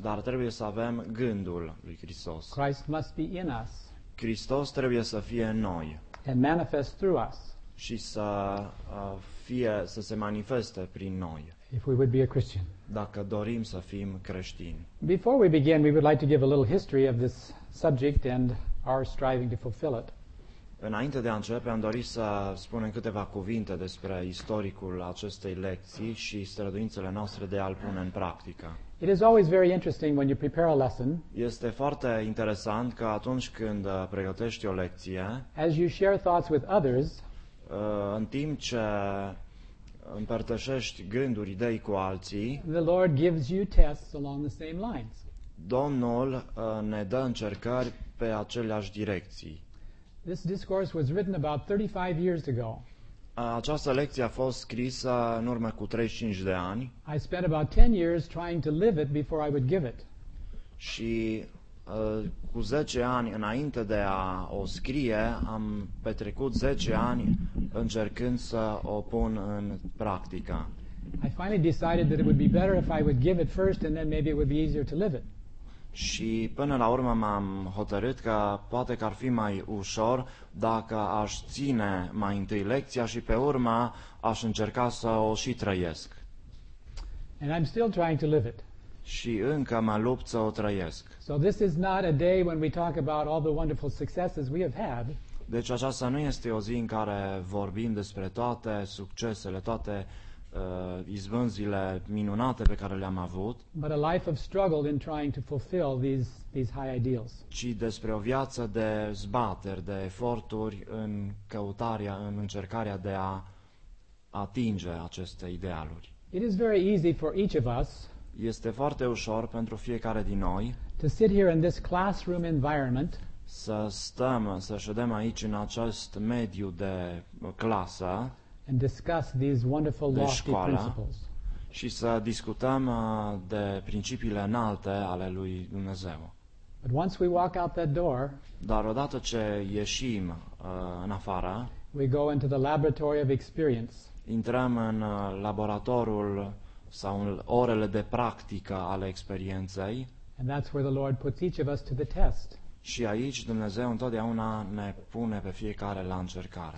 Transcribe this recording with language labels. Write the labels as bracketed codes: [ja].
[ro] Dar trebuie să avem gândul lui Hristos. [en] Christ must be in us. [ro] Hristos trebuie să fie în noi. [en] And manifest through us. [ro] Și să fie, să se manifeste prin noi. [en] If we would be a Christian. [ro] Dacă dorim să fim creștini. [en] Before we begin, we would like to give a little history of this subject and our striving to fulfill it. [ro] Înainte de a începe, am dorit să spunem câteva cuvinte despre istoricul acestei lecții și străduințele noastre de a-l pune în practică. [en] It is always very interesting when you prepare a lesson. [ro] Este foarte interesant că atunci când pregătești o lecție, [en] as you share thoughts with others, [ro] în timp ce împărtășești gânduri, idei cu alții, [en] the Lord gives you tests along the same lines. [ro] Domnul ne dă încercări pe aceleași direcții. [en] This discourse was written about 35 years ago. [ro] Această lecție a fost scrisă în urmă cu 35 de ani. [en] I spent about 10 years trying to live it before I would give it. [ro] Și cu 10 ani înainte de a o scrie, am petrecut 10 ani încercând să o pun în practică. [en] I finally decided that it would be better if I would give it first and then maybe it would be easier to live it. [ro] Și până la urmă m-am hotărât că poate că ar fi mai ușor dacă aș ține mai întâi lecția și pe urmă aș încerca să o și trăiesc. [en] And I'm still trying to live it. [ro] Și încă mă lupt să o trăiesc. [en] So this is not a day when we talk about all the wonderful successes we have had. [ro] Deci aceasta nu este o zi în care vorbim despre toate succesele, toate izbânzile minunate pe care le-am avut, [en] but a life of struggle in trying to fulfill these high ideals. [ro] Ci despre o viață de zbateri, de eforturi în căutarea, în încercarea de a atinge aceste idealuri. [en] It is very easy for each of us. [ro] Este foarte ușor pentru fiecare din noi. [en] To sit here in this classroom environment. [ro] Să ședem aici în acest mediu de clasă. [en] And discuss these wonderful lofty principles. [ro] Și să discutăm de principiile înalte ale lui Dumnezeu. [en] But once we walk out that door, [ro] dar odată ce ieșim în afară, [en] we go into the laboratory of experience. [ro] Intrăm în laboratorul sau în orele de practică ale experienței. [en] And that's where the Lord puts each of us to the test. [ro] Și aici Dumnezeu întotdeauna ne pune pe fiecare la încercare.